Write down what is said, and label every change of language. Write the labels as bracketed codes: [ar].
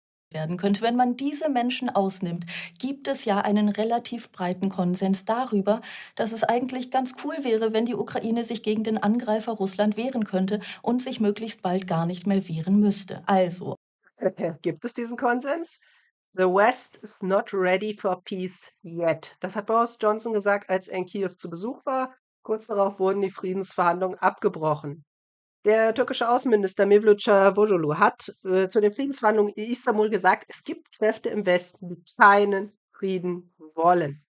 [de] Werden könnte, wenn man diese Menschen ausnimmt, gibt es ja einen relativ breiten Konsens darüber, dass es eigentlich ganz cool wäre, wenn die Ukraine sich gegen den Angreifer Russland wehren könnte und sich möglichst bald gar nicht mehr wehren müsste. Also. Gibt es diesen Konsens? [en] The West is not ready for peace yet. [de] Das hat Boris Johnson gesagt, als er in Kiew zu Besuch war. Kurz darauf wurden die Friedensverhandlungen abgebrochen. Der türkische Außenminister Mevlüt Çavuşoğlu hat zu den Friedensverhandlungen in Istanbul gesagt, es gibt Kräfte im Westen, die keinen Frieden wollen.